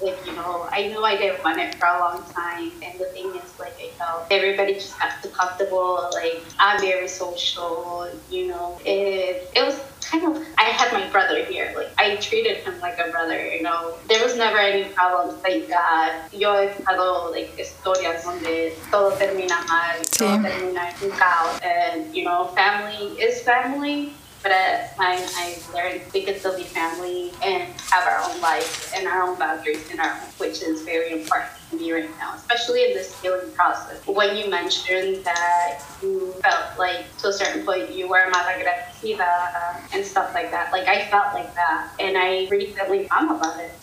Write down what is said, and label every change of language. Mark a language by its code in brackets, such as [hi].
[en] Like, you know, I knew I didn't want it for a long time. And the thing is, like, I felt everybody just got too comfortable. Like, I'm very social, you know. It was kind of, I had my brother here. Like, I treated him like a brother, you know. There was never any problems, thank God. [es] Yo he estado, [en] like, [es] historias donde todo termina mal, todo termina en caos. [en] And, you know, family is family, but at time I learned we could still be family and have our own life and our own boundaries and our own, which is very important to me right now, especially in this healing process. When you mentioned that you felt like to a certain point you were malagradecida and stuff like that, like, I felt like that, and I recently found about it.